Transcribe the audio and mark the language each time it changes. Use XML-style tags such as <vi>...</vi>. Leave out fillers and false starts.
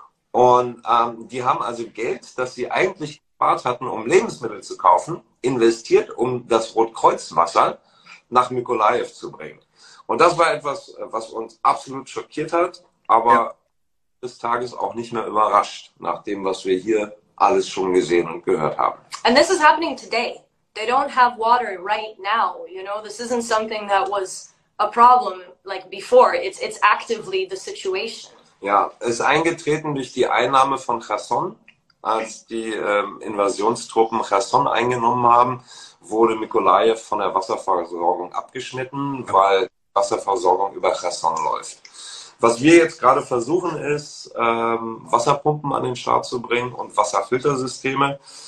<de>Und die haben also Geld, das sie eigentlich gespart hatten, um Lebensmittel zu kaufen, investiert, um das Rotkreuzwasser nach Mykolaiv zu bringen. Und das war etwas, was uns absolut schockiert hat, aber des Tages auch nicht mehr überrascht, nach dem, was wir hier alles schon gesehen und gehört haben.</de> <en>And this is happening today. They don't have water right now. You know, this isn't something that was a problem like before. It's actively the situation.</en> <de>Ja, ist eingetreten durch die Einnahme von Cherson, als die Invasionstruppen Cherson eingenommen haben, wurde Mykolaiv von der Wasserversorgung abgeschnitten, weil Wasserversorgung über Cherson läuft. Was wir jetzt gerade versuchen, ist, Wasserpumpen an den Start zu bringen und Wasserfiltersysteme.</de>